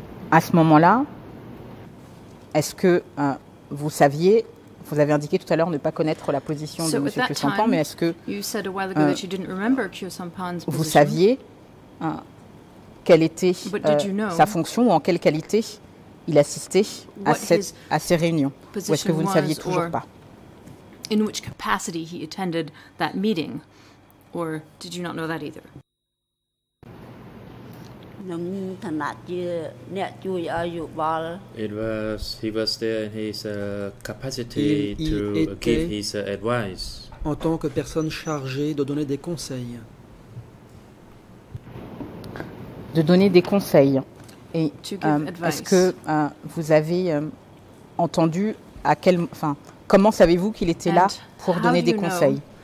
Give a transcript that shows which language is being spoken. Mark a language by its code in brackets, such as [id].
[fr] À ce moment-là, est-ce que vous saviez, vous avez indiqué tout à l'heure ne pas connaître la position [en] so [fr] de M. Kyo Sampan, mais est-ce que vous saviez quelle était sa fonction ou en quelle qualité il assistait à ces réunions? Ou est-ce que vous ne saviez toujours pas? [en] In which capacity he attended that meeting, or did you not know that either? It was he was there in his capacity to give his advice. [fr] En tant que personne chargée de donner des conseils. De donner des conseils. Et [en] to give advice. [fr] Est-ce que vous avez entendu à quel, enfin, comment savez-vous qu'il était [en] and [fr] là pour donner des conseils?